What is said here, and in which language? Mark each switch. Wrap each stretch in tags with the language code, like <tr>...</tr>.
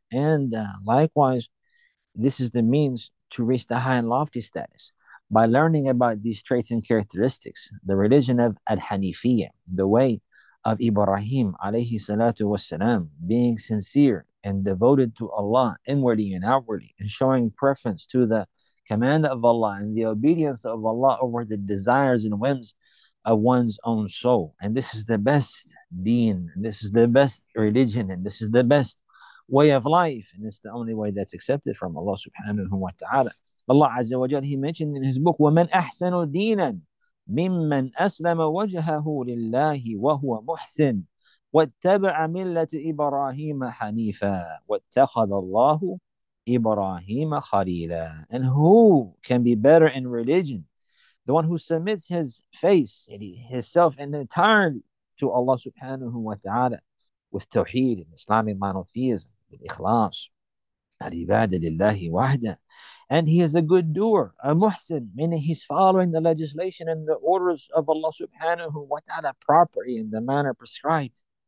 <en>And likewise, this is the means to reach the high and lofty status by learning about these traits and characteristics, the religion of Al-Hanifiyya, the way of Ibrahim alayhi salatu wasalam, being sincere and devoted to Allah inwardly and outwardly, and showing preference to the command of Allah and the obedience of Allah over the desires and whims of one's own soul. And this is the best deen, and this is the best religion, and this is the best way of life, and it's the only way that's accepted from Allah subhanahu wa ta'ala. Allah azza wa jalla, he mentioned in his book,</en> <ar>وَمَنْ أَحْسَنُ دِينًا مِمَّنْ أَسْلَمَ وَجْهَهُ لِلَّهِ وَهُوَ مُحْسِنٌ وَاتَّبَعَ مِلَّةَ إِبْرَاهِيمَ حَنِيفًا وَاتَّخَذَ اللَّهُ إِبْرَاهِيمَ خَلِيلًا.</ar> <en>And who can be better in religion? The one who submits his face, his self, and entirely to Allah subhanahu wa ta'ala with tawheed and Islamic monotheism, with ikhlas,</en> <ar>al-ibadah lillahi wahda.</ar> <en>And he is a good doer, a muhsin, meaning he's following the legislation and the orders of Allah subhanahu wa ta'ala properly in the manner prescribed.</en>